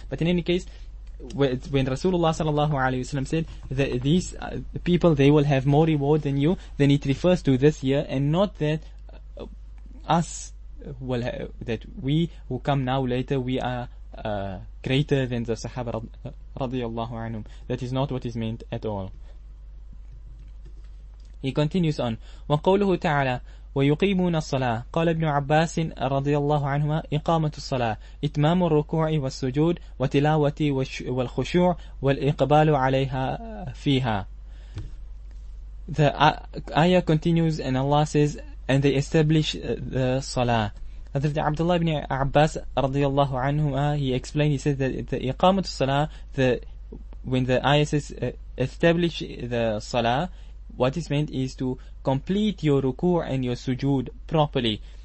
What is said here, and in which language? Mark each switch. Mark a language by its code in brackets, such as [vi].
[en] But in any case, when Rasulullah sallallahu alayhi wa sallam said that these people, they will have more reward than you, then it refers to this year and not that us will have, that we who come now later, we are greater than the Sahaba radiallahu anhum. That is not what is meant at all. He continues on. [ar] وقوله تعالى ويقيمون الصلاة قال ابن عباس رضي الله عنهما إقامة الصلاة إتمام الركوع والسجود وتلاوة والخشوع والإقبال عليها فيها. [en] The ayah continues and Allah says, and they establish the salah. Hazrat Abdullah ibn Abbas رضي الله عنهما, he explained, he said that the إقامة الصلاة, when the ayah says establish the salah, what is meant is to complete your ruku' and your sujood properly.